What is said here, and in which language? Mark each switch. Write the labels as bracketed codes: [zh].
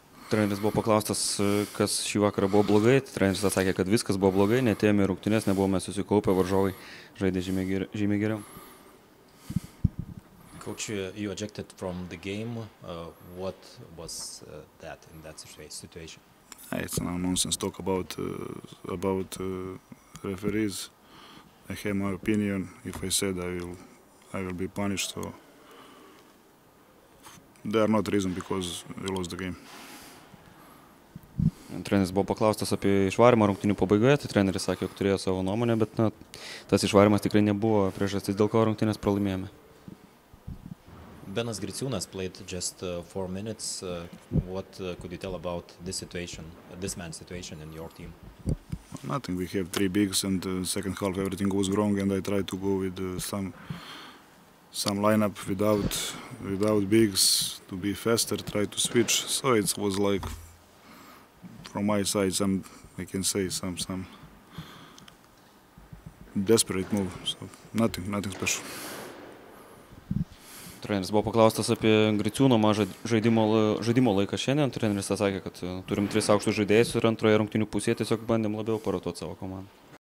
[lt] Treneris buvo paklaustas, kas šį vakarą buvo blogai. Treneris atsakė, kad viskas buvo blogai, netėmė rungtynės, nebuvome susikaupę, varžovai žaidė žymiai geriau. [en] Coach, you ejected from the game. What was that in that situation? It's no nonsense talk about referees. I have my opinion. If I said I will be punished, so there are not reason because we lost the game. [lt] Treneris buvo paklaustas apie išvarymą rungtynių pabaigoje, tai treneris sakė, jog turėjo savo nuomonę, bet na, tas išvarymas tikrai nebuvo priežastis, dėl ko rungtynės pralaimėjome. [en] Benas Griciūnas played just 4 minutes. What could you tell about this situation, this man's situation in your team? Nothing. We have 3 bigs and second half everything goes wrong and I try to go with some lineup without bigs to be faster, try to switch. So it was like from my side some desperate move. So nothing special. [lt] Treneris buvo paklaustas apie Griciūno mažą žaidimo laiką šiandien. Treneris atsakė, kad turim 3 aukštus žaidėjus ir antroje rungtynių pusėje tiesiog bandėm labiau parotuoti savo komandą.